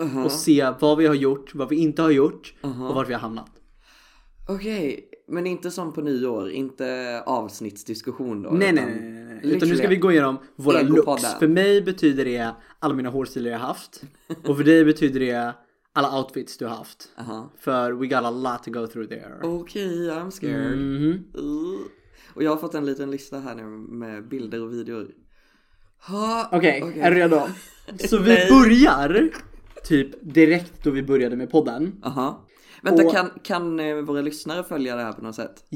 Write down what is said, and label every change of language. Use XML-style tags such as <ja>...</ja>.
<sv>Och se vad vi har gjort, vad vi inte har gjort och vart vi har hamnat. Okej,</sv> <en>okay.</en> <sv>Men inte som på nyår, inte avsnittsdiskussion då. Nej. Utan nu ska vi gå igenom våra looks. För mig betyder det alla mina hårstilar jag haft. Och för dig betyder det alla outfits du har haft. För</sv> <en>we got a lot to go through there.</en> <sv>Okej,</sv> <en>okay, I'm scared.</en> <sv>Och jag har fått en liten lista här nu med bilder och videor. Okej. Är du redo? Så vi börjar typ direkt då vi började med podden. Vänta, och kan våra lyssnare följa det här på något sätt?</sv>